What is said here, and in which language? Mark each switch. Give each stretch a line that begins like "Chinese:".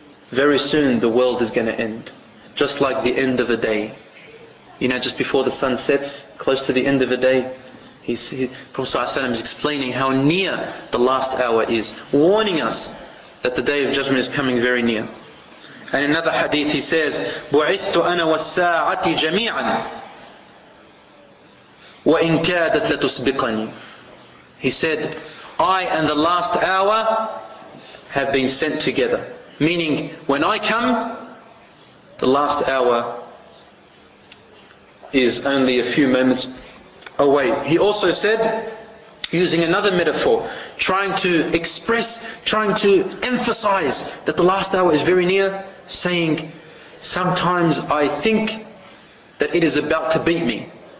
English: Very soon the world is going to end. Just like the end of a day. You know, just before the sun sets, close to the end of a day, Prophet ﷺ is explaining how near the last hour is, warning us that the day of judgment is coming very near. And another hadith he says,
Arabic: بُعِثْتُ أَنَا وَالسَّاعَةِ جَمِيعًا وَإِنْ كَادَتْ لَتُسْبِقَنِي.
English: He said, I and the last hour have been sent together. Meaning, when I come, the last hour is only a few moments away. He also said, using another metaphor, trying to emphasize that the last hour is very near, saying, sometimes I think that it is about to beat me.